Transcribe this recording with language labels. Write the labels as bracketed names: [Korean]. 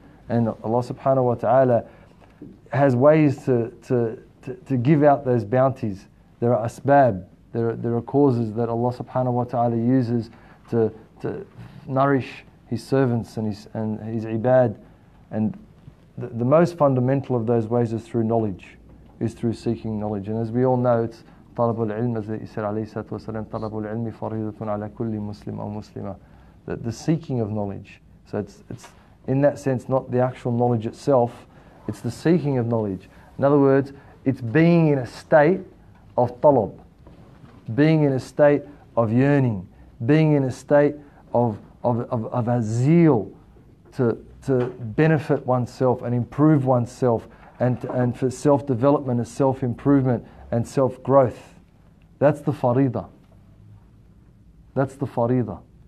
[English] And Allah subhanahu wa ta'ala has ways to give out those bounties. There are asbab, there are causes that Allah subhanahu wa ta'ala uses to nourish His servants and his ibad. And the most fundamental of those ways is through knowledge, is through seeking knowledge. And as we all know, it's [Arabic] طلب العلم [English] as he said [Arabic] عليه الصلاة والسلام طلب العلم فريضة على كل مسلم أو مسلمة. [English] The seeking of knowledge. So it's in that sense not the actual knowledge itself, it's the seeking of knowledge. In other words, it's being in a state of talab, being in a state of yearning, being in a state of a zeal to benefit oneself and improve oneself and for self-development and self-improvement and self-growth. That's the faridah. That's the faridah.